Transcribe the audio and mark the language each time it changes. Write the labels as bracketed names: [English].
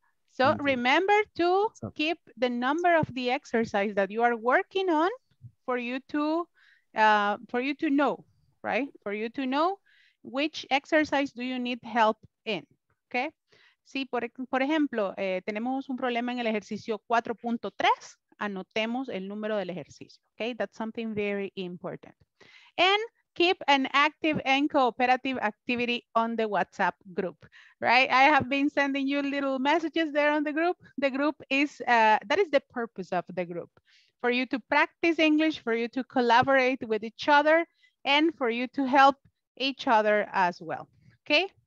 [English] So remember to keep the number of the exercise that you are working on for you to know, right? For you to know which exercise do you need help in, okay? [Spanish] Sí, por ejemplo, tenemos un problema en el ejercicio 4.3, anotemos el número del ejercicio, okay? [English] That's something very important. And keep an active and cooperative activity on the WhatsApp group, right? I have been sending you little messages there on the group. The group is, that is the purpose of the group, for you to practice English, for you to collaborate with each other, and for you to help each other as well, okay?